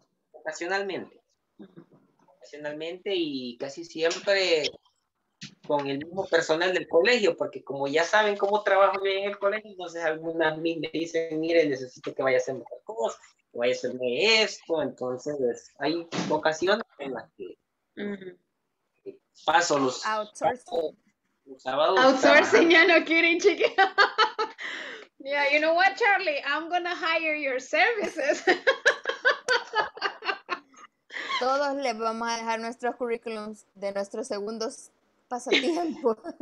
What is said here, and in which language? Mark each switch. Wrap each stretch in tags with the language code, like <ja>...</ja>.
<es>Ocasionalmente y casi siempre con el mismo personal del colegio, porque como ya saben cómo trabajo yo en el colegio, entonces algunas me dicen, mire, necesito que vaya a hacer otra cosa, que vaya a hacerme esto, entonces hay ocasiones en las que paso los sábados. Outsourcing, ya no quieren, chiquita.</es> <en>Yeah, you know what, Charlie, I'm gonna hire your services.</en> <es>Todos les vamos a dejar nuestros currículums de nuestros segundos pasatiempo.</es>